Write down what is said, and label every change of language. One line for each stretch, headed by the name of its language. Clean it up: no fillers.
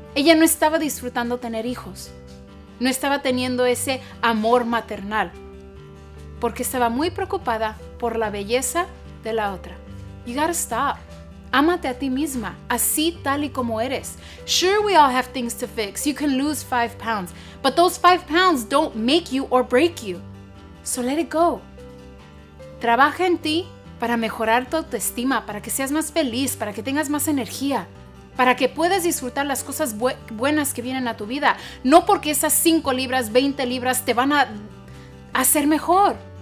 Spanish: Ella no estaba disfrutando tener hijos. No estaba teniendo ese amor maternal, porque estaba muy preocupada por la belleza de la otra.
English: You gotta stop.
Spanish: Ámate a ti misma, así tal y como eres.
English: Sure, we all have things to fix. You can lose 5 pounds, but those 5 pounds don't make you or break you. So let it go.
Spanish: Trabaja en ti para mejorar tu autoestima, para que seas más feliz, para que tengas más energía, para que puedas disfrutar las cosas buenas que vienen a tu vida. No porque esas 5 libras, 20 libras te van a hacer mejor.